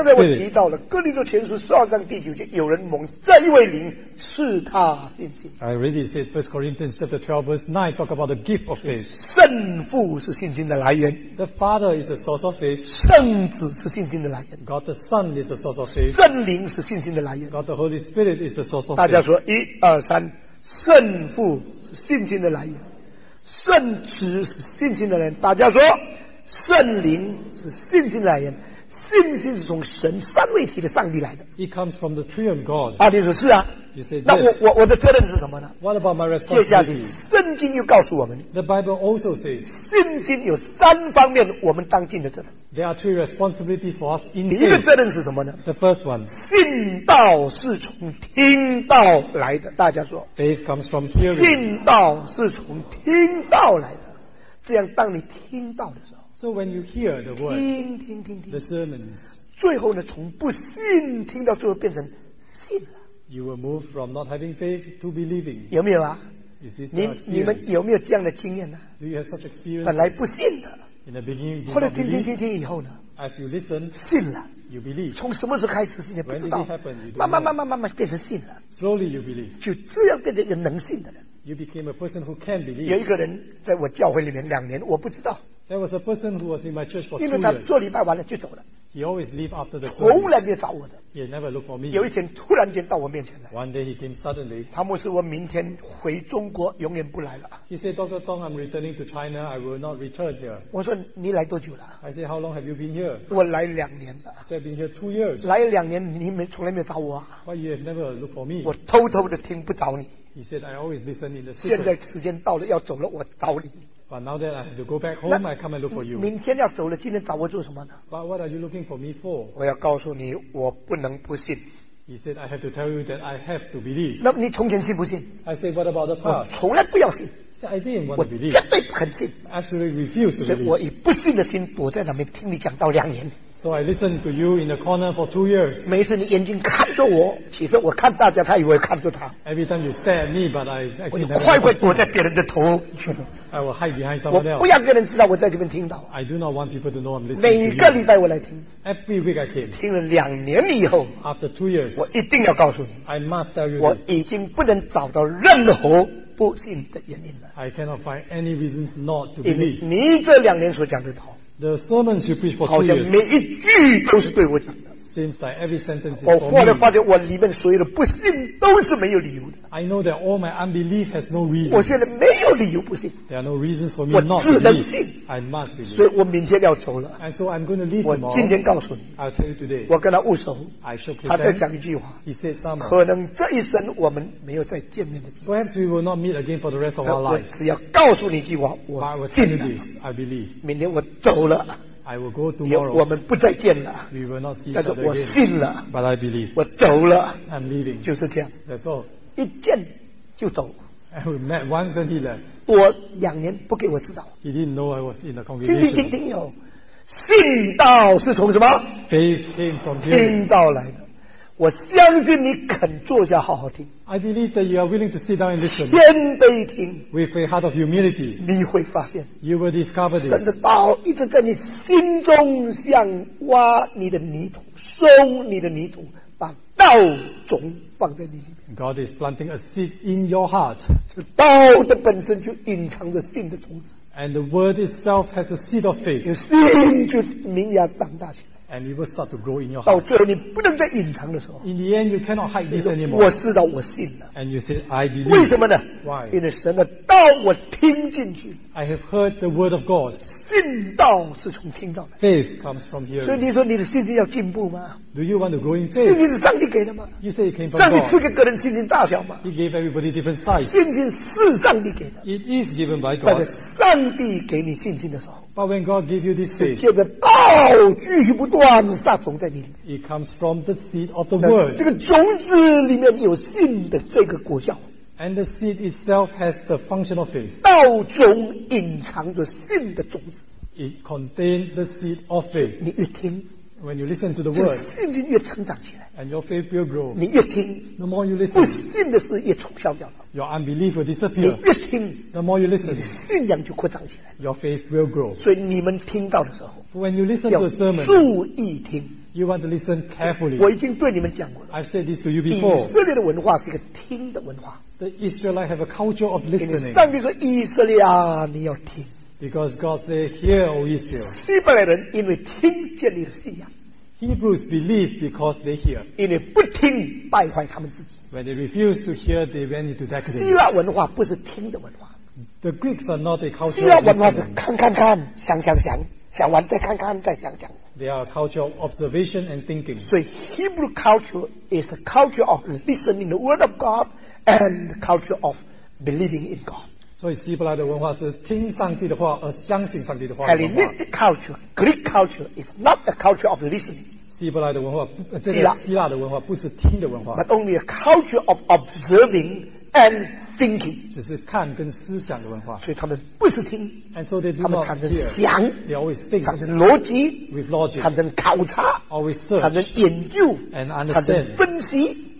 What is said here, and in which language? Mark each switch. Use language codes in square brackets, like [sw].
[zh] 刚才我提到了哥林多前书12章第9节, 有人蒙这一位灵赐他信心。 [en] I already said 1 Corinthians chapter 12 verse 9 talk about the gift of faith. [zh] 圣父是信心的来源。 [en] The Father is the source of faith. [zh] 圣子是信心的来源。 [en] God the Son is the source of faith. [zh] 圣灵是信心的来源。 [en] God the Holy Spirit is the source of [zh] 大家说1,2,3, 圣父是信心的来源。圣子是信心的来源。大家说, 圣灵是信心的来源, 信心是从神三位体的上帝来的。 [en] It comes from the three of God. [zh] 啊,你说是啊。 [en] You say, [zh] 那我的责任是什么呢? [en] What about my responsibility? [zh] 接下来, 圣经又告诉我们, [en] The Bible also says, [zh] 信心有三方面, 我们当尽的责任。 [en] There are three responsibilities for us in [zh] faith. 第一个责任是什么呢? [en] The first one, [zh] 信道是从听道来的, 大家说, [en] Faith comes from hearing. [zh] 信道是从听道来的, 这样当你听到的时候, [en] So when you hear the word, [zh] 听, [en] the sermons, [zh] 最后呢, 从不信, 听到最后变成信了, [en] you will move from not having faith to believing. [zh] 有没有啊? [en] Is this the experience? [zh] 你们有没有这样的经验呢? [en] Do you have such experience? [zh] 本来不信的, [en] In the beginning, you [zh] 或者听以后呢, [en] As you listen, [zh] 信了, [en] you believe. [zh] 从什么时候开始信也不知道, [en] when did it happen, you don't [zh] 慢慢慢慢慢慢 变成信了, [en] Slowly you believe. [zh] 就这样变成一个能信的人, [en] you became a person who can believe. [zh] 有一个人在我教会里面两年, 我不知道, [en] There was a person who was in my church for 2 years. He always leave after the service. He never looked for me. [zh] 有一天突然间到我面前来, [en] One day he came suddenly. [zh] 他牧师我明天回中国, [en] he said, Dr. Tong, I'm returning to China. I will not return here. [zh] 我说你来多久了? [en] I said, how long have you been here? [zh] 我来两年了。 [en] He said, I've been here 2 years. [zh] 来两年你从来没有找我。 [en] Why you have never looked for me? [zh] 我偷偷地听不着你。 [en] He said, I always listen in the secret. [zh] 现在时间到了要走了我找你。 [en] But now that I have to go back home, 那, I come and look for you. [zh] 明天要走了, 今天找我做什么呢? [en] But what are you looking for me for? [zh] 我要告诉你, 我不能不信。 [en] He said, I have to tell you that I have to believe. [zh] 那你从前信不信? [en] I said, what about the past? [zh] 我从来不要信。 [en] I didn't want to believe. [zh] 我绝对不肯信。 [en] Absolutely refused to believe. [zh] 我以不信的心躲在那边听你讲道两年。 [en] So I listened to you in the corner for 2 years. [zh] 每次你眼睛看着我, 其实我看大家, 他以为看着他。 [en] Every time you stare at me, but I actually never [zh] 我快快躲在别人的头。 [en] I will hide behind someone else. [zh] 我不要跟人知道我在这边听到。 [en] I do not want people to know I'm listening [zh] 每个礼拜我来听。 [en] Every week I came. [zh] 听了两年以后, [en] After 2 years, [zh] 我一定要告诉你, [en] I must tell you [zh] 我已经不能找到任何 [en] I cannot find any reason not to believe. [zh] 你这两年所讲的道, [en] the sermons you preach for 2 years, seems like every sentence is for me. [zh] 我后来发现我里面所有的不信都是没有理由的。 [en] I know that all my unbelief has no reason. 我现在没有理由不信。 There are no reasons for me not to believe. I must believe. [zh] 所以我明天要走了。 [en] And so I'm going to leave tomorrow. [zh] 我今天告诉你, [en] I'll tell you today. [zh] 我跟他握手, [en] I shall [zh] present. 他再讲一句话, [en] he said something. [zh] 可能这一生我们没有再见面的机会。 [en] Perhaps we will not meet again for the rest of our lives. [zh] 只要告诉你一句话, 我信了。 [en] I will tell you this. I believe. [zh] 明天我走了。 [en] I will go tomorrow. [zh] 我们不再见了, [en] we will not see [zh] 但是我信了, [en] but I believe. [zh] 我走了, [en] I'm leaving. [zh] 就是这样, [en] That's all. [zh] 一见就走, [en] And we met once and he left. [zh] 我两年不给我知道。 [en] He didn't know I was in the congregation. [zh] 听听听听哦，信道是从什么 [en] ？Faith came from here. [zh] 听到来的。我相信你肯坐下好好听。 [en] I believe that you are willing to sit down and listen. [zh] 谦卑听。 [en] With a heart of humility. [zh] 你会发现。 [en] You will discover this. [zh] 神的道一直在你心中像挖你的泥土，松你的泥土，把道种放在你里面。 [en] God is planting a seed in your heart. [zh] 这道的本身就隐藏着信的种子。 [en] And the word itself has a seed of faith. [zh] 你心就明芽长大去。 [en] And it will start to grow in your heart. [zh] 到最后你不能再隐藏的时候。 [en] In the end, you cannot hide this anymore. [zh] 我知道我信了。 [en] And you said, I believe. [zh] 为什么呢 [en] ？Why? [zh] 因为神的道我听进去。 [en] I have heard the word of God. [zh] 信道是从听到的。 [en] Faith comes from hearing. [zh] 所以你说你的信心要进步吗 [en] ？Do you want to grow in faith? [zh] 信心是上帝给的吗 [en] ？You say it came from God. [zh] 上帝赐给个人信心大小吗 [en] ？He gave everybody different size. [zh] 信心是上帝给的。 [en] It is given by God. [zh] 但是上帝给你信心的时候。 [en] But when God gives you this faith, [zh] 这个道继续不断撒种在你里面。 [en] It comes from the seed of the word. [zh] 这个种子里面有信的这个果效。 [en] And the seed itself has the function of faith. [zh] 道中隐藏着信的种子。 [en] It contains the seed of faith. [zh] 你越听。 [en] When you listen to the word, [zh] 信心越成长起来。 [en] And your faith will grow. [zh] 你越听 [en] ，the more you listen. [zh] 不信的事也冲消掉了。 [en] Your unbelief will disappear. [zh] 你越听 [en] ，the more you listen. [zh] 你的信仰就扩张起来。 [en] Your faith will grow. [zh] 所以你们听到的时候 [en] ，when you listen to the sermon, [zh] 要注意听。 [en] You want to listen carefully. [zh] 我已经对你们讲过了。 [en] I've said this to you before. [zh] 以色列的文化是一个听的文化。 [en] The Israelites have a culture of listening. [zh] 上帝说：“以色列啊，你要听。” [en] Because God said, "Hear, O Israel." [zh] 希伯来人因为听见你的信仰。 [en] Hebrews believe because they hear. [zh] 因为不听，败坏他们自己。 [en] When they refuse to hear, they went into decadence. [zh] 希腊文化不是听的文化。 [en] The Greeks are not a culture. [zh] 希腊文化是看看看，想想想，想完再看看，再想想。 [en] They are a culture of observation and thinking. 所以 Hebrew culture is the culture of listening the word of God and the culture of believing in God. [zh] 所以希伯来的文化是听上帝的话而相信上帝的话。 [en] Hellenistic culture, Greek culture is not a culture of listening. [zh] 希伯来的文化，这个希腊的文化不是听的文化。 [en] But only a culture of observing and thinking. [zh] 只是看跟思想的文化。所以他们不是听。 [en] And so they do not [zh] hear. 他们产生想。 [en] They always think. [zh] 产生逻辑。 [en] With logic. [zh] 产生考察。 [en] Always search. [zh] 产生研究。 [en] And understand. [zh] 产生分析。